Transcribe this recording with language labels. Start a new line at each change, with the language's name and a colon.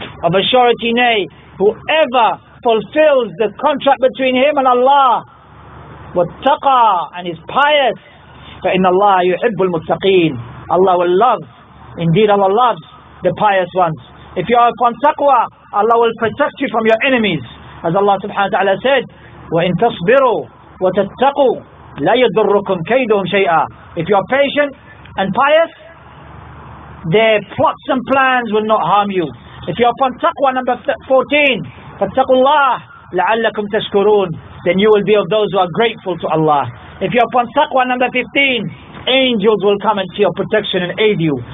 English: Of a surety, nay, whoever fulfills the contract between him and Allah, وَاتَّقَى, and is pious,
Arabic: فَإِنَّ اللَّهَ يُحِبُّ الْمُتَّقِينَ.
English: Allah will love, indeed Allah loves the pious ones. If you are upon taqwa, Allah will protect you from your enemies. As Allah subhanahu wa ta'ala said,
Arabic: وَإِن تَصْبِرُوا وَتَتَّقُوا لَا يَضُرُّكُمْ كَيْدُهُمْ شَيْئًا.
English: If you are patient and pious, their plots and plans will not harm you. If you are upon taqwa, number 14,
Arabic: فَاتَّقُوا اللَّهِ لَعَلَّكُمْ تَشْكُرُونَ.
English: Then you will be of those who are grateful to Allah. If you are upon taqwa, number 15, angels will come into your protection and aid you.